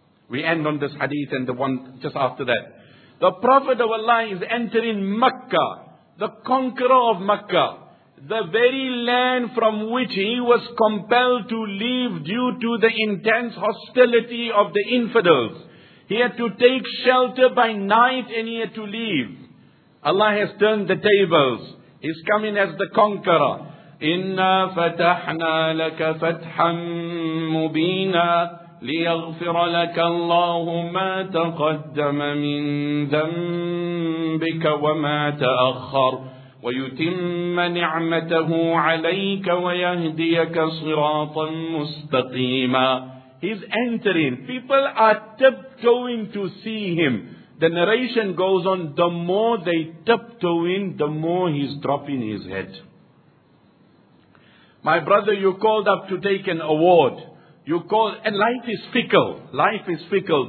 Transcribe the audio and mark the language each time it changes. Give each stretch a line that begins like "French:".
English: We end on this hadith and the one just after that. The Prophet of Allah is entering Makkah, the conqueror of Makkah, the very land from which he was compelled to leave due to the intense hostility of the infidels. He had to take shelter by night and he had to leave. Allah has turned the tables. He's coming as the conqueror.
Arabic: Inna fatahna laka fatham mubeena. ليغفر لك الله ما تقدم من ذنبك وما تأخر ويتم نعمته عليك ويهديك صراطا مستقيما.
English: He's entering. People are tiptoeing to see him. The narration goes on. The more they tiptoeing, the more he's dropping his head. My brother, you called up to take an award. You call, and life is fickle. Life is fickle.